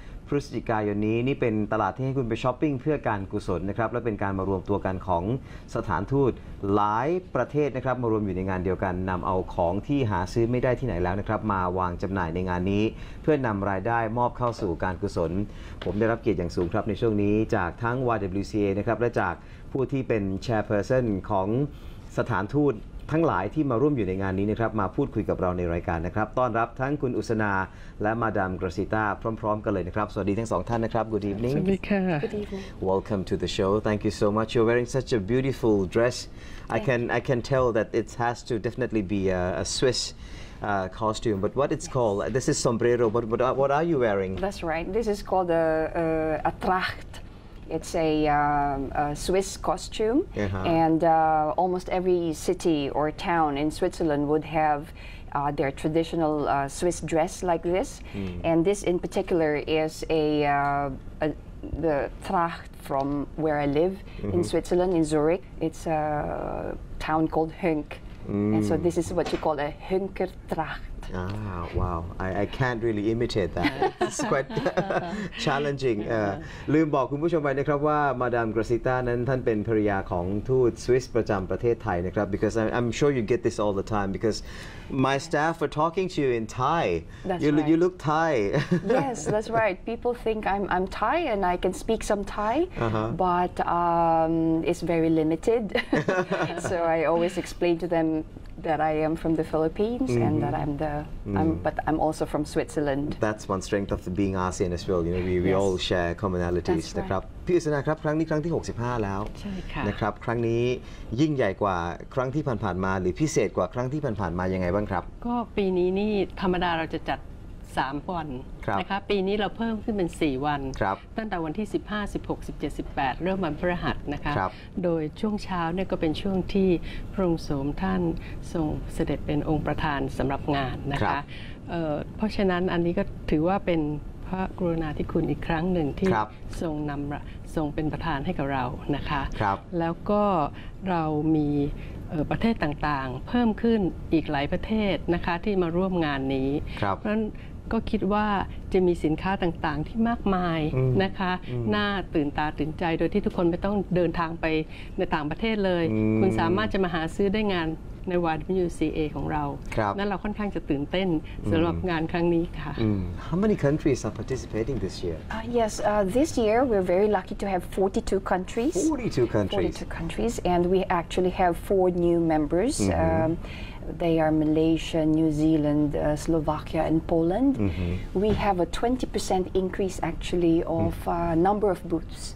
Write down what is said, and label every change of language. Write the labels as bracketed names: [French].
[Thai] พฤศจิกายนนี้นี่เป็นตลาดที่ให้คุณไปช้อปปิ้งเพื่อการกุศลนะครับและเป็นการมารวมตัวกันของสถานทูตหลายประเทศนะครับมารวมอยู่ในงานเดียวกันนำเอาของที่หาซื้อไม่ได้ที่ไหนแล้วนะครับมาวางจำหน่ายในงานนี้เพื่อนำรายได้มอบเข้าสู่การกุศลผมได้รับเกียรติอย่างสูงครับในช่วงนี้จากทั้ง YWCA นะครับและจากผู้ที่เป็น Chairperson ของ สถานทูตทั้งหลายที่มาร่วมอยู่ในงานนี้นะครับมาพูดคุยกับเราในรายการนะครับต้อนรับทั้งคุณอุสนาและมาดามกราซิต้าพร้อมๆกันเลยนะครับสวัสดีทั้งสองท่านนะครับ [English] Good evening [Thai] สวัสดีค่ะ [English] Good evening Welcome to the show Thank you so much You're wearing such a beautiful dress I can tell that it has to definitely be a SwissCostume, but what it's yes. called? This is sombrero. But what are you wearing? That's right. This is called a tracht. It's a Swiss costume, uh-huh. and almost every city or town in Switzerland would have their traditional Swiss dress like this. Mm. And this, in particular, is the tracht from where I live mm-hmm. in Switzerland, in Zurich. It's a town called Hünk. Mm. And so this is what you call a Hünkertracht. Ah, wow. I can't really imitate that. It's quite challenging. [Thai] ลืมบอกคุณผู้ชมไปนะครับว่ามาดามกราซิต้านั้นท่านเป็นภริยาของทูตสวิสประจำประเทศไทยนะครับ [English] because I'm sure you get this all the time because my staff are talking to you in Thai. That's you, right. You look Thai. Yes, that's right. People think I'm Thai and I can speak some Thai, uh-huh. but it's very limited. So I always explain to them that I am from the Philippines mm-hmm. and that but I'm also from Switzerland. That's one strength of being ASEAN as well. You know, we yes. all share commonalities. That's right. [Thai] พี่อุสนาครับครั้งนี้ครั้งที่65แล้ว ใช่ค่ะ นะครับครั้งนี้ยิ่งใหญ่กว่าครั้งที่ผ่านๆมาหรือพิเศษกว่าครั้งที่ผ่านๆมายังไงบ้างครับ ก็ปีนี้นี่ธรรมดาเราจะจัด3วันนะคะปีนี้เราเพิ่มขึ้นเป็น4วันตั้งแต่วันที่15 16 17 18เริ่มวันพฤหัสนะคะโดยช่วงเช้าเนี่ยก็เป็นช่วงที่พระองค์โสมท่านทรงเสด็จเป็นองค์ประธานสำหรับงานนะคะเพราะฉะนั้นอันนี้ก็ถือว่าเป็นพระกรุณาธิคุณอีกครั้งหนึ่งที่ ทรงนำทรงเป็นประธานให้กับเรานะคะ ครับ แล้วก็เรามีประเทศต่างๆเพิ่มขึ้นอีกหลายประเทศนะคะที่มาร่วมงานนี้ เพราะฉะนั้นก็คิดว่าจะมีสินค้าต่างๆที่มากมายนะคะน่าตื่นตาตื่นใจโดยที่ทุกคนไม่ต้องเดินทางไปในต่างประเทศเลยคุณสามารถจะมาหาซื้อได้งานในวัน WCA ของเรานั่นเราค่อนข้างจะตื่นเต้นสำหรับงานครั้งนี้ค่ะ [English] How many countries are participating this year? Yes, this year we're very lucky to have 42 countries. 42 countries. 42 countries, and we actually have 4 new members. Mm-hmm. They are Malaysia, New Zealand, Slovakia, and Poland. Mm-hmm. We have a 20% increase, actually, of number of booths.